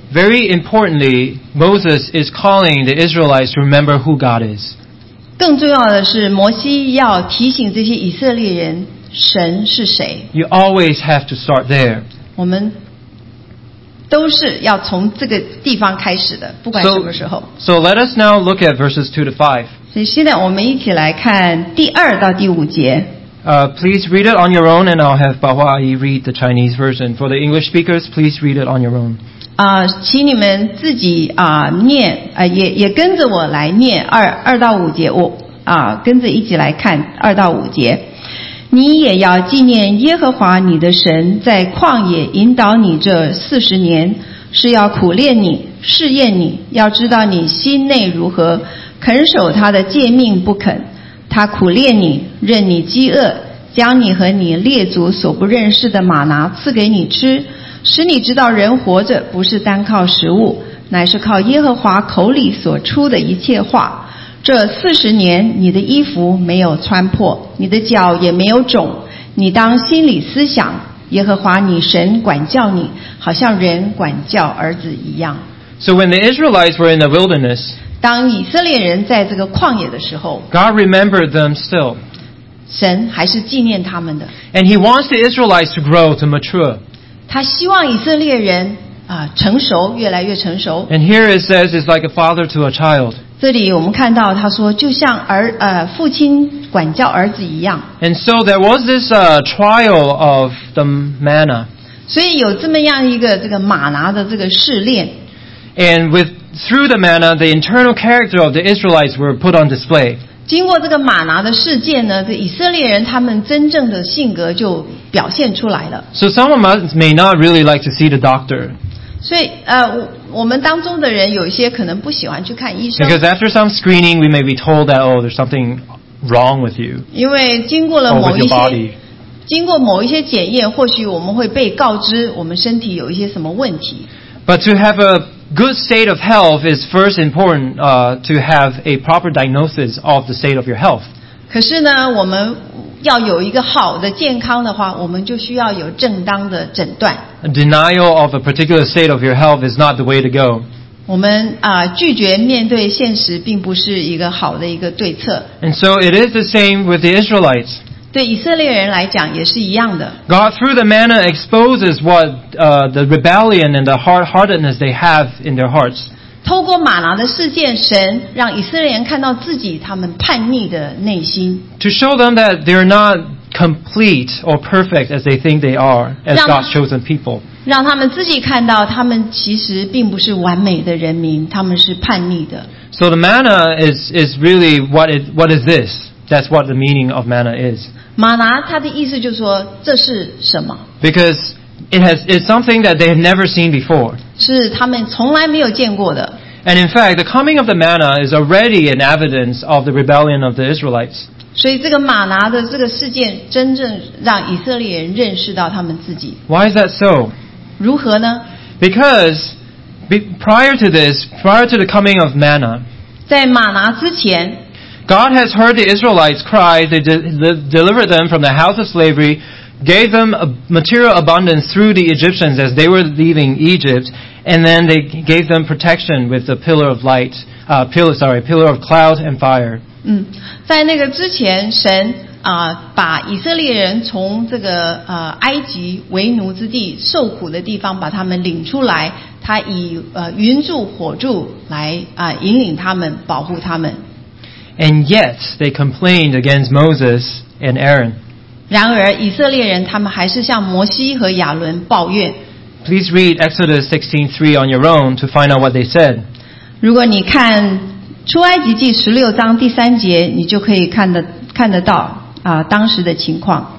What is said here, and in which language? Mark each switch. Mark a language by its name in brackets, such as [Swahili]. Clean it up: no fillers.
[English] very importantly, Moses is calling the Israelites to remember who God is. [Chinese] 更重要的是摩西要提醒这些以色列人神是谁。 [English] You always have to start there. [Chinese] 我们都是要从这个地方开始的，不管什么时候。 [English] So let us now look at verses 2 to 5. [Chinese] 所以现在我们一起来看第二到第五节。 [English] Please read it on your own, and I'll have Bahua Ayi read the Chinese version. For the English speakers, please read it on your own. [Chinese] 请你们自己念，也跟着我来念二到五节，我跟着一起来看二到五节。你也要纪念耶和华你的神在旷野引导你这四十年，是要苦练你，试验你，要知道你心内如何，肯守他的诫命不肯。他苦练你，任你饥饿，将你和你列祖所不认识的玛拿赐给你吃，使你知道人活着不是单靠食物，乃是靠耶和华口里所出的一切话。这四十年，你的衣服没有穿破，你的脚也没有肿。你当心里思想，耶和华你神管教你，好像人管教儿子一样。 [English] So when the Israelites were in the wilderness, [Chinese] 当以色列人在这个旷野的时候， [English] God remembered them still. [Chinese] 神还是纪念他们的。 [English] And he wants the Israelites to grow, to mature. [Chinese] 他希望以色列人成熟，越来越成熟。 [English] And here it says it's like a father to a child. [Chinese] 这里我们看到他说就像父亲管教儿子一样。 [English] And so there was this trial of the manna. [Chinese] 所以有这么样一个这个玛拿的这个试炼。 [English] And through the manna, the internal character of the Israelites were put on display. [Chinese] 经过这个玛拿的事件呢，这以色列人他们真正的性格就表现出来了。 [English] So some of us may not really like to see the doctor. [Chinese] 所以我们当中的人有一些可能不喜欢去看医生。 [English] Because after some screening, we may be told that, oh, there's something wrong with you. [Chinese] 因为经过了某一些，经过某一些检验，或许我们会被告知我们身体有一些什么问题。 [English] But to have a good state of health is first important, to have a proper diagnosis of the state of your health. [Chinese] 可是呢，我们要有一个好的健康的话，我们就需要有正当的诊断。 [English] Denial of a particular state of your health is not the way to go. [Chinese] 我们拒绝面对现实并不是一个好的一个对策。 [English] And so it is the same with the Israelites. [Chinese] 对以色列人来讲也是一样的。 [English] God through the manna exposes what the rebellion and the hard-heartedness they have in their hearts. [Chinese] 透过玛拿的事件，神让以色列人看到自己他们叛逆的内心。 [English] To show them that they're not complete or perfect as they think they are as God's chosen people. [Chinese] 让他们自己看到他们其实并不是完美的人民，他们是叛逆的。 [English] So the manna is really what is this? That's what the meaning of manna is. [Chinese] 玛拿它的意思就是说这是什么？ [English] Because it's something that they have never seen before. [Chinese] 是他们从来没有见过的。 [English] And in fact, the coming of the manna is already an evidence of the rebellion of the Israelites. [Chinese] 所以这个玛拿的这个事件真正让以色列人认识到他们自己。 [English] Why is that so? [Chinese] 如何呢? [English] Because prior to the coming of manna, [Chinese] 在玛拿之前, [English] God has heard the Israelites cry, they delivered them from the house of slavery, gave them a material abundance through the Egyptians as they were leaving Egypt, and then they gave them protection with the pillar of light, pillar of cloud and fire. [Chinese] 在那个之前神把以色列人从这个埃及为奴之地受苦的地方把他们领出来，他以云柱火柱来引领他们，保护他们。 [English] And yet they complained against Moses and Aaron. [Chinese] 然而以色列人他们还是向摩西和亚伦抱怨。 [English] Please read Exodus 16:3 on your own to find out what they said. [Chinese] 如果你看出埃及记十六章第三节，你就可以看得到当时的情况。